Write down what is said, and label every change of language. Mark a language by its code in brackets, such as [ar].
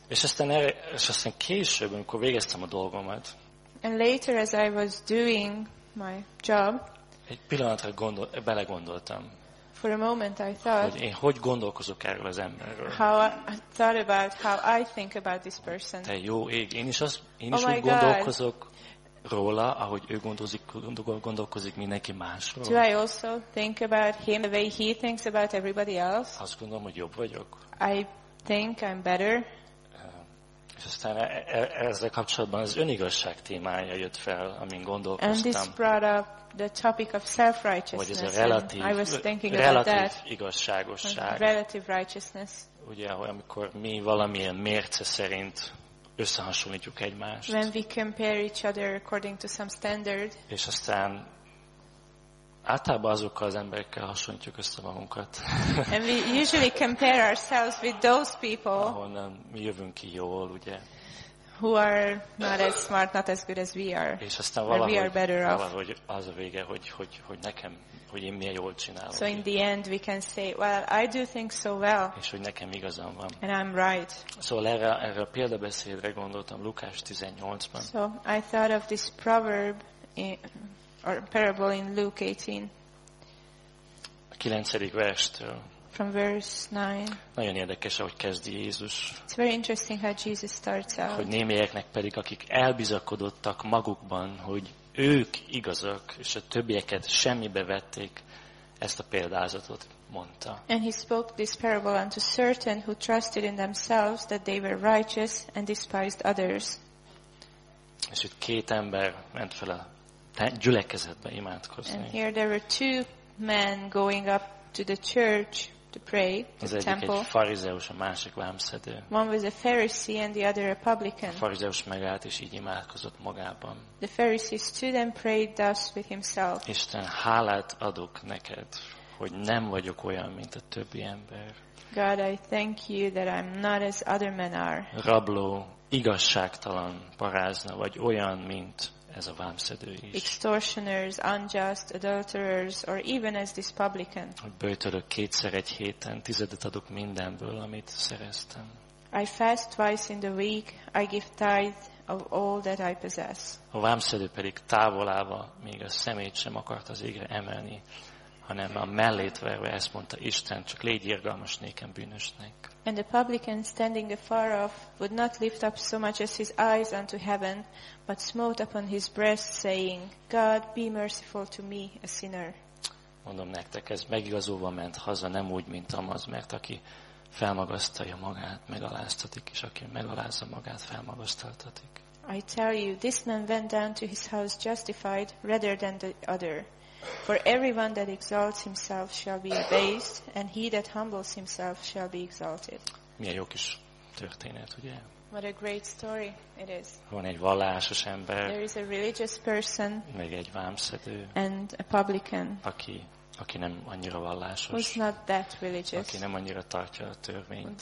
[hu] És aztán később, amikor végeztem a dolgomat. [en] And later as I was doing my job. [hu] Egy pillanatra belegondoltam. [en] For a moment I thought. [hu] Hogy én hogy gondolkozok erről az emberről? [en] How I thought about how I think about this person. [hu] Te jó ég, én is úgy gondolkozok róla, ahogy ő gondolkozik mindenki másról. [en] Do I also think about him the way he thinks about everybody else? [hu] Azt gondolom, hogy jobb vagyok. [en] I think I'm better. [hu] És aztán ezzel kapcsolatban az önigazság témája jött fel, amin gondolkoztam. [en] And this brought up the topic of self-righteousness. [hu] Vagy ez a relatív, [en] I was thinking relatív about that. [hu] Igazságosság. [en] Relative righteousness. [hu] Ugye, hogy amikor mi valamilyen mérce szerint összehasonlítjuk egymást. [en] When we compare each other according to some standard. [hu] És aztán általában azokkal az emberekkel hasonlítjuk össze magunkat. [en] And we usually compare ourselves with those people. [hu] Ahonnan mi jövünk ki jól, ugye? [en] Who are not as smart, not as good as we are. [hu] És aztán valahogy az a vége, hogy nekem, hogy én milyen jól csinálok. [en] So in the end we can say, well, I do things so well. [hu] És hogy nekem igazam van. [en] And I'm right. [hu] Szóval erre a példabeszédre gondoltam Lukás 18-ban. [en] So I thought of this proverb. Or parable in Luke 18. [hu] A 9. verstől. [en] From verse 9. [hu] Nagyon érdekes, ahogy kezdi Jézus. [en] It's very interesting how Jesus starts out. [hu] Hogy némelyeknek pedig, akik elbizakodottak magukban, hogy ők igazak, és a többieket semmibe vették, ezt a példázatot mondta. [en] And he spoke this parable unto certain who trusted in themselves that they were righteous and despised others. [hu] És itt két ember ment fel a gyülekezetbe imádkozni. [en] And here there were two men going up to the church to pray, to the temple. [hu] Egy farizeus, a másik vámszedő. [en] One was a Pharisee and the other a publican. [hu] A farizeus megállt és így imádkozott magában. [en] The Pharisee stood and prayed thus with himself. [hu] Isten, hálát adok neked, hogy nem vagyok olyan, mint a többi ember. [en] God, I thank you that I'm not as other men are. [hu] Rabló, igazságtalan parázna vagy olyan, mint ez a vámszedő is. [en] Extortioners, unjust, adulterers, or even as this publican. [hu] Böjtölök kétszer egy héten, tizedet adok mindenből, amit szereztem. [en] I fast twice in the week, I give tithe of all that I possess. [hu] A vámszedő pedig távolába még a szemét sem akart az égre emelni, hanem a mellét verve ezt mondta, Isten, csak légy irgalmas nékem bűnösnek. [en] And the publican, standing afar off, would not lift up so much as his eyes unto heaven, but smote upon his breast, saying, God, be merciful to me, a sinner. [hu] Mondom nektek, ez megigazolva ment haza, nem úgy, mint amaz, mert aki felmagasztalja magát, megaláztatik, és aki megalázza magát, felmagasztaltatik. [en] I tell you, this man went down to his house justified, rather than the other. For everyone that exalts himself shall be abased, and he that humbles himself shall be exalted. [hu] Milyen jó kis történet, ugye? [en] What a great story it is. [hu] Van egy vallásos ember. [en] There is a religious person. [hu] Meg egy vámszedő. [en] And a publican. [hu] Aki nem annyira vallásos. [en] Who's not that religious. [hu] Aki nem annyira tartja a törvényt.